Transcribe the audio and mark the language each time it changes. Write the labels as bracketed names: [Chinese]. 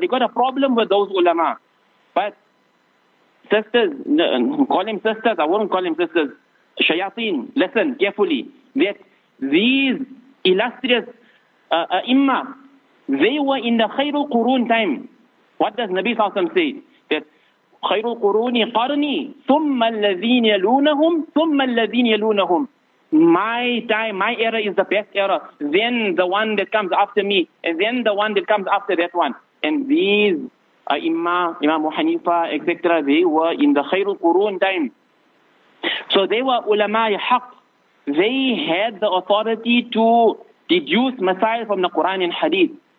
[English] They got a problem with those ulama. But sisters, call him sisters, I won't call him sisters. Shayateen, listen carefully. That these illustrious imma, they were in the Khairul Qurun time. What does Nabi Sallallahu Alaihi Wasallam say? [Arabic] خير القرون قرني ثم الذين يلونهم ثم الذين يلونهم. [English] My time, my era is the best era. Then the one that comes after me, and then the one that comes after that one. And these Imam Hanifa, etc., they were in the [Arabic] خير القرون [English] time. So they were ulama haq. They had the authority to deduce masail from the Quran and Hadith.